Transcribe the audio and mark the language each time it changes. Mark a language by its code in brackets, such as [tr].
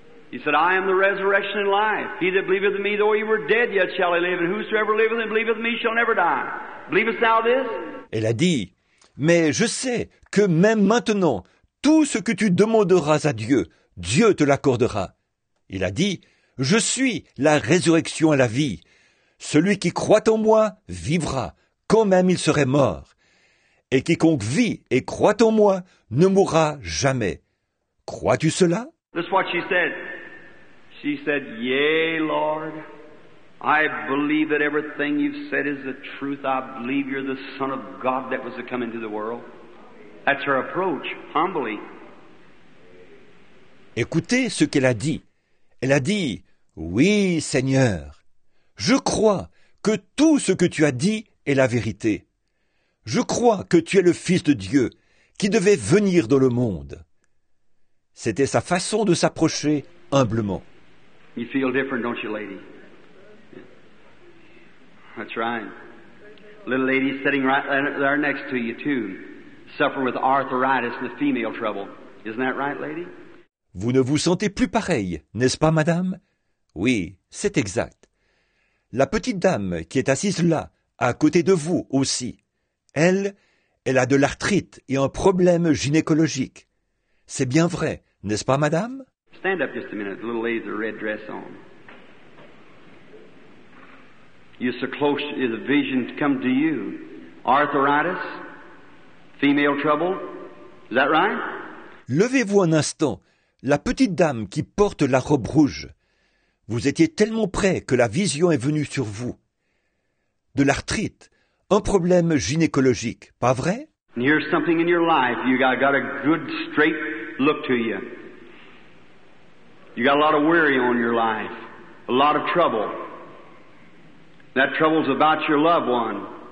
[en] He said, I am the resurrection and life. He that believeth in me, though he were dead, yet shall he live. And whosoever liveth and believeth in me shall never die. Believest thou this? [fr] Elle a dit, mais je sais que même maintenant, tout ce que tu demanderas à Dieu, Dieu te l'accordera. Il a dit, je suis la résurrection et la vie. Celui qui croit en moi vivra, quand même il serait mort. Et quiconque vit et croit en moi ne mourra jamais. Crois-tu cela? [en] This is what she said. She said, yea, Lord, I believe that everything you've said is the truth. I believe you're the Son of God that was to come into the world. That's her approach, humbly. [fr] Écoutez ce qu'elle a dit. Elle a dit, oui, Seigneur, je crois que tout ce que tu as dit est la vérité. Je crois que tu es le Fils de Dieu qui devait venir dans le monde. C'était sa façon de s'approcher humblement. [en] You feel different, don't you, lady? That's right. Little lady sitting right there next to you too, suffering with arthritis and the female trouble. Isn't that right, lady? [fr] Vous ne vous sentez plus pareille, n'est-ce pas, madame? Oui, c'est exact. La petite dame qui est assise là, à côté de vous aussi, elle a de l'arthrite et un problème gynécologique. C'est bien vrai, n'est-ce pas, madame? [en] Stand up just a minute, the little lady with the red dress on. You're so close, the vision come to you. Arthritis, female trouble, is that right? [fr] Levez-vous un instant, la petite dame qui porte la robe rouge. Vous étiez tellement près que la vision est venue sur vous. De l'arthrite, un problème gynécologique, pas vrai? [en] And here's something in your life, you got a good straight look to you. You got a lot of worry on your life, a lot of trouble. That trouble's about your loved one.